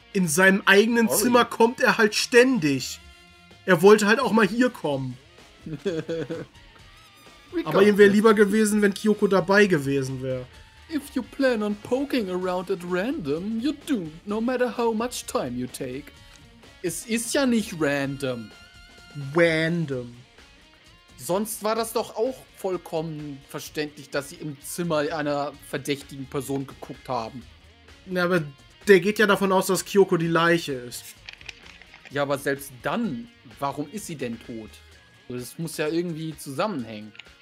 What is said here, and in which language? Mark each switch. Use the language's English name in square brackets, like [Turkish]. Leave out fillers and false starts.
[German] In seinem eigenen Zimmer kommt er halt ständig. Er wollte halt auch mal hier kommen. Aber ihm wäre lieber gewesen, wenn Kyoko dabei gewesen wäre. [English] If you plan on poking around at random, you're doomed, no matter how much time you take. [German] Es ist ja nicht random. [English] Random. [German] Sonst war das doch auch vollkommen verständlich, dass sie im Zimmer einer verdächtigen Person geguckt haben. Na, aber der geht ja davon aus, dass Kyoko die Leiche ist. Ja, aber selbst dann, warum ist sie denn tot? Das muss ja irgendwie zusammenhängen.